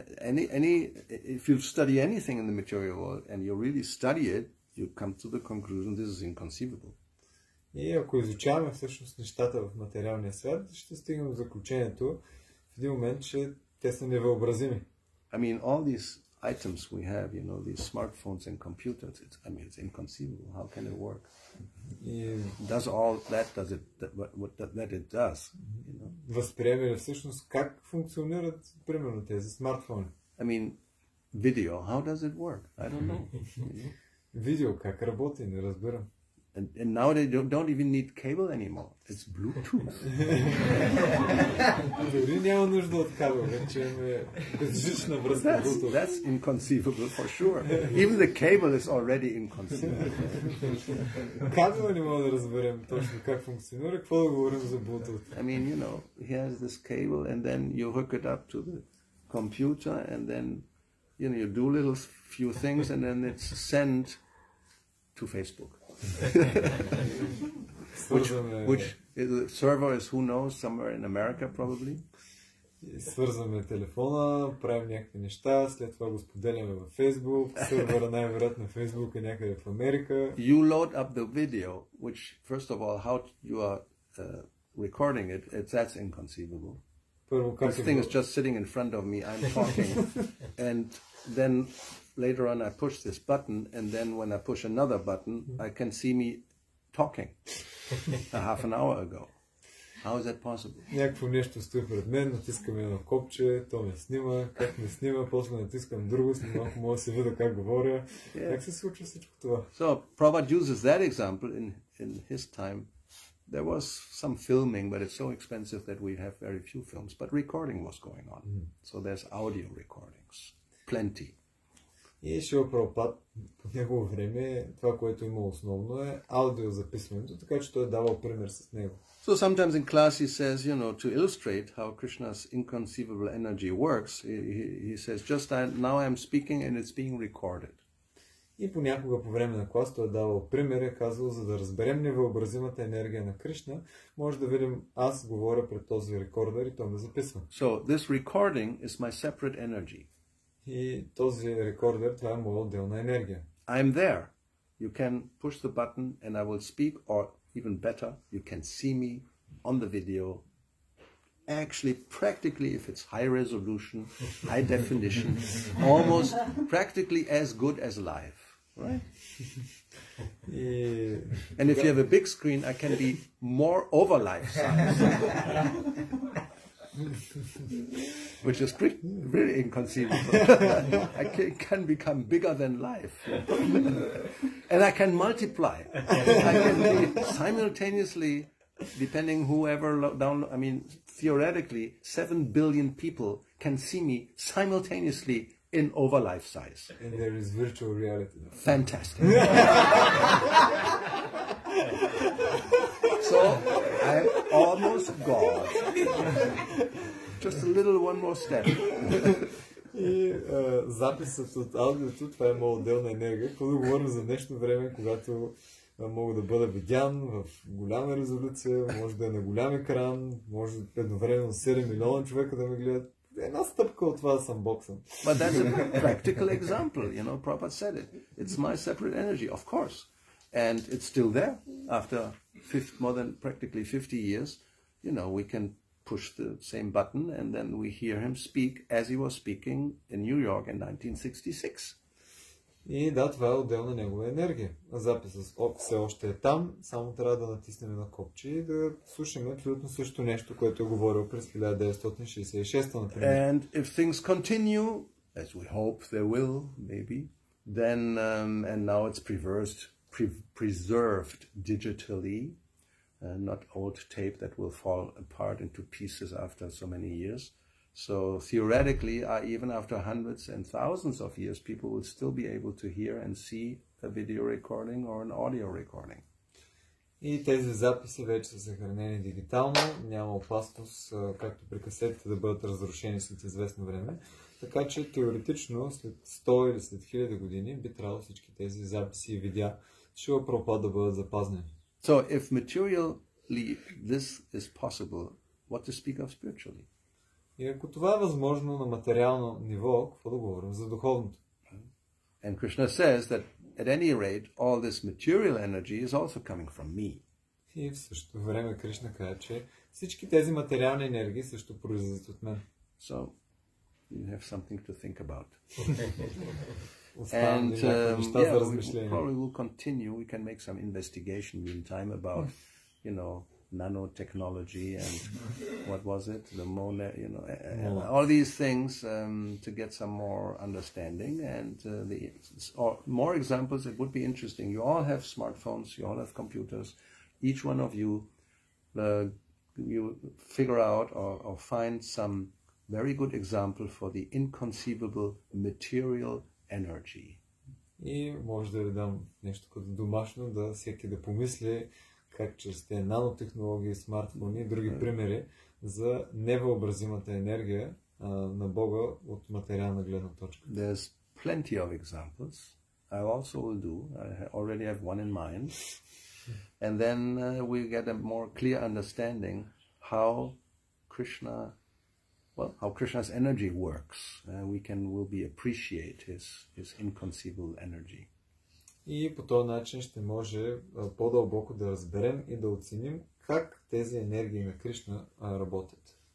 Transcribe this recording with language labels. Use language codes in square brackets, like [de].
[en] Any if you study anything in the material world and you really study it, you come to the conclusion this is inconceivable. [bg] И ако изучаваме всъщност нещата в материалния свят, ще стигнем до заключението в един момент, че те са невъобразими. [en] I mean, all these items we have, you know, these smartphones and computers, it's inconceivable. How can it work? Does all that, does it, that it does, you know? [bg] Възприеме ли всъщност как функционират, примерно, тези смартфони? [en] I mean, video, how does it work? I don't know. [bg] Видео как работи, не разбирам. [en] And now they don't even need cable anymore. It's Bluetooth. [bg] Дори няма нужда от кабел, вече е жична връзка Bluetooth. [en] That's inconceivable for sure. Even the cable is already inconceivable. [bg] Кабела не мога да разберем точно как функционира, какво да говорим за Bluetooth. [en] I mean, you know, he has this cable and then you hook it up to the computer and then, you know, you do little few things and then it's sent to Facebook. which the server is, who knows, somewhere in America probably. [bg] Свързваме телефона, правим някакви неща, след това го споделяме във Facebook, сервера най-вероятно на Facebook е някъде в Америка. [en] You load up the video, which first of all, how you are recording it, that's inconceivable. This thing is just sitting in front of me, I'm talking, and then later on I push this button, and then when I push another button, I can see me talking a half an hour ago. How is that possible? [bg] Някакво нещо стои пред мен, натискам едно копче, то ме снима, как ме снима, после натискам друго, снимам, мога да се видя как говоря. [en] Yeah. [bg] Как се случва всичко това? [en] So, Prabhupada uses that example in his time. There was some filming, but it's so expensive that we have very few films. But recording was going on. So there's audio recordings. Plenty. [bg] И Шива Прабхупад по негово време, това, което има основно, е аудио записването, така че той е давал пример с него. [en] So sometimes in class he says, you know, to illustrate how Krishna's inconceivable energy works, he says, just now I'm speaking and it's being recorded. [bg] И понякога по време на клас той е давал пример, е казвал, за да разберем невъобразимата енергия на Кришна, може да видим, аз говоря пред този рекордер и той ме записва. [en] So, this recording is my separate energy. [bg] И този рекордер, това е моя отделна енергия. [en] I'm there. You can push the button and I will speak, or even better, you can see me on the video. Actually, practically, if it's high resolution, high definition, almost practically as good as live, right? And if you have a big screen, I can be more over life size. Which is really inconceivable. I can become bigger than life. And I can multiply. I can be simultaneously, depending whoever download, I mean, theoretically, 7 billion people can see me simultaneously in over life size. And there is virtual reality. Fantastic. So, I'm almost God. Just a little one more step. [bg] И записът от аудиото, това е моят дел на енергия, когато говорим за днешно време, когато мога да бъда видян в голяма резолюция, може да е на голям екран, може едновременно 7 милиона човека да ме гледат. Една стъпка от това съм боксен. [en] But that's a practical example, you know, Prabhupada said it. It's my separate energy, of course. And it's still there, after more than practically 50 years, you know, we can push the same button and then we hear him speak as he was speaking in New York in 1966. [bg] И да, това е отделна негова енергия. Записът все още е там, само трябва да натиснем на копче и да слушаме абсолютно същото нещо, което е говорил през 1966, например. [en] And if things continue, as we hope they will, maybe, then, and now it's preserved digitally, not old tape that will fall apart into pieces after so many years. So theoretically, even after hundreds and thousands of years, people will still be able to hear and see a video recording or an audio recording. [bg] И тези записи вече са съхранени дигитално, няма опасност, както при касетите, да бъдат разрушени след известно време. Така че теоретично, след 100 или след 1000 години, би трябвало всички тези записи и видеа ще Прабхупад да бъдат запазнени. [en] So if materially this is possible, what to speak of spiritually? [bg] И ако това е възможно на материално ниво, какво да говорим за духовното? [en] And Krishna says that at any rate all this material energy is also coming from me. [bg] И в същото време Кришна казва, че всички тези материални енергии също произлизат от мен. [en] So you have something to think about. And we probably will continue. We can make some investigation in time about, you know, nanotechnology and what was it, the mole, you know, all these things to get some more understanding. And more examples, it would be interesting. You all have smartphones, you all have computers. Each one of you, you figure out or find some very good example for the inconceivable material energy. [bg] И може да ви дам нещо като домашно, да всеки да помисли как чрез те нанотехнологии, смартфони и други примери за невъобразимата енергия на Бога от материална гледна точка. [en] There's plenty of examples. I also will do. I already have one in mind. And then we get a more clear understanding how Krishna's energy works. We'll be appreciate his inconceivable energy. [bg] И по този начин ще може по-дълбоко да разберем и да оценим как тези енергии на Кришна работят.